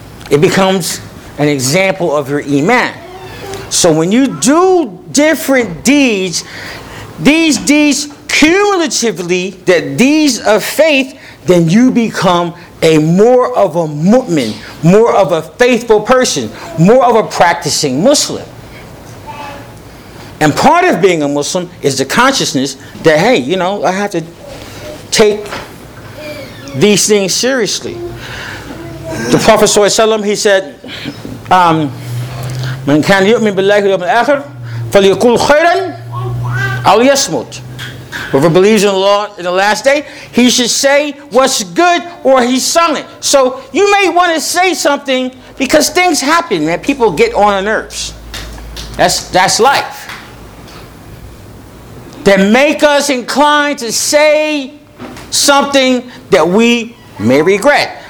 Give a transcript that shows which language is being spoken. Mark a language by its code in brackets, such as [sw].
[en] It becomes an example of your iman. So when you do different deeds, these deeds cumulatively, that these of faith, then you become a more of a mu'min, more of a faithful person, more of a practicing Muslim. And part of being a Muslim is the consciousness that, hey, you know, I have to take these things seriously. The Prophet ﷺ, he said, [ar] من كان يؤمن بالله واليوم الآخر فليقول خيرا أو يصمت. [en] Whoever believes in Allah in the last day, he should say what's good or he's silent. So you may want to say something because things happen, man. People get on our nerves. That's life. That make us inclined to say something that we may regret.